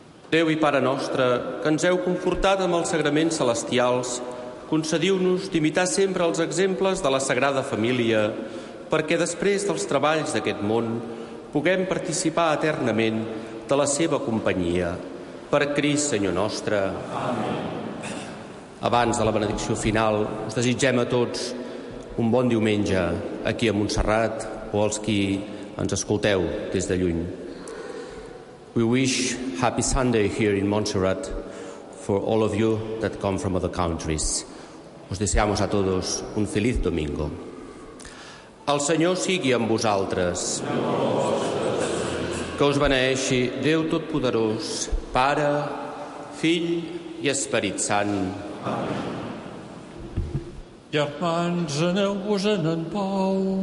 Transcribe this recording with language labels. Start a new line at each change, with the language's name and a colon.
Catalan: Déu i Pare nostre, que ens heu confortat amb els sagraments celestials, concediu-nos d'imitar sempre els exemples de la Sagrada Família, perquè després dels treballs d'aquest món puguem participar eternament de la seva companyia. Per Crist, Senyor nostre. Amén. Abans de la benedicció final, us desitgem a tots un bon diumenge aquí a Montserrat o als qui ens escolteu des de lluny.
English: We wish happy Sunday here in Montserrat for all of you that come from other countries.
Spanish: Os deseamos a todos un feliz domingo.
Catalan: El Senyor sigui amb vosaltres. Que us beneeixi Déu Totpoderós, Pare, Fill i Esperit Sant. Amén. Germans, aneu-vos-en en pau.